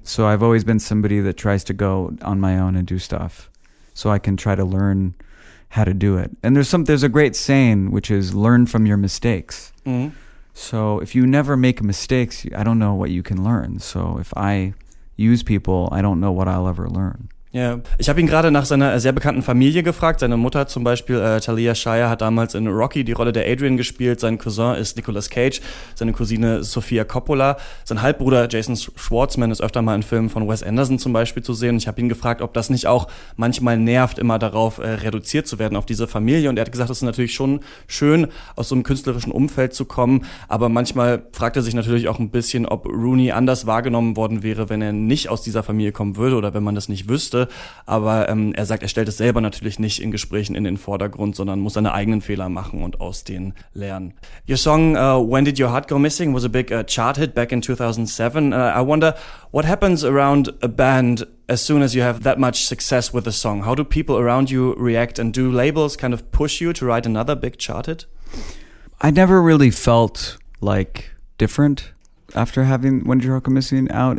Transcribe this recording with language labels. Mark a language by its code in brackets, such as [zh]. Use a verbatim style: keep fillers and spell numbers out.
[en] So I've always been somebody that tries to go on my own and do stuff so I can try to learn how to do it. And there's some, there's a great saying, which is learn from your mistakes. Mm. So if you never make mistakes, I don't know what you can learn. So if I use people, I don't know what I'll ever learn. [de] Ja, ich habe ihn gerade nach seiner sehr bekannten Familie gefragt. Seine Mutter zum Beispiel, äh, Talia Shire, hat damals in Rocky die Rolle der Adrian gespielt. Sein Cousin ist Nicolas Cage, seine Cousine Sofia Coppola. Sein Halbbruder Jason Schwartzman ist öfter mal in Filmen von Wes Anderson zum Beispiel zu sehen. Ich habe ihn gefragt, ob das nicht auch manchmal nervt, immer darauf äh, reduziert zu werden, auf diese Familie. Und er hat gesagt, es ist natürlich schon schön, aus so einem künstlerischen Umfeld zu kommen. Aber manchmal fragt er sich natürlich auch ein bisschen, ob Rooney anders wahrgenommen worden wäre, wenn er nicht aus dieser Familie kommen würde oder wenn man das nicht wüsste. Aber ähm, er sagt, er stellt es selber natürlich nicht in Gesprächen in den Vordergrund, sondern muss seine eigenen Fehler machen und aus denen lernen. [en] Your song uh, When Did Your Heart Go Missing was a big uh, chart hit back in two thousand seven. Uh, I wonder what happens around a band as soon as you have that much success with a song. How do people around you react and do labels kind of push you to write another big chart hit? I never really felt like different after having When Did Your Heart Go Missing out.